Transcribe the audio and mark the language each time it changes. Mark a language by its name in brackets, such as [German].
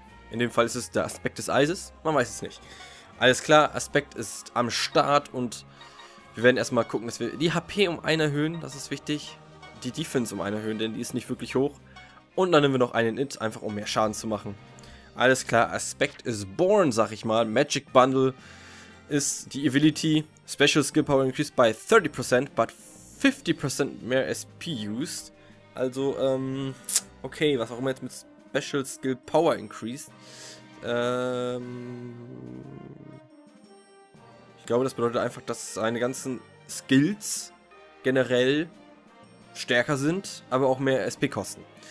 [German] In dem Fall ist es der Aspekt des Eises. Man weiß es nicht. Alles klar, Aspekt ist am Start und wir werden erstmal gucken, dass wir die HP um einen erhöhen. Das ist wichtig. Die Defense um einen erhöhen, denn die ist nicht wirklich hoch. Und dann nehmen wir noch einen Int, einfach um mehr Schaden zu machen. Alles klar, Aspekt ist born, sag ich mal. Magic Bundle ist die Ability. [English] Special Skill Power increased by 30%, but 50% [German] mehr [English] SP used. [German] Also, okay, was auch immer jetzt mit [English] Special Skill Power increased. [German] Ich glaube, das bedeutet einfach, dass seine ganzen Skills generell stärker sind, aber auch mehr SP kosten.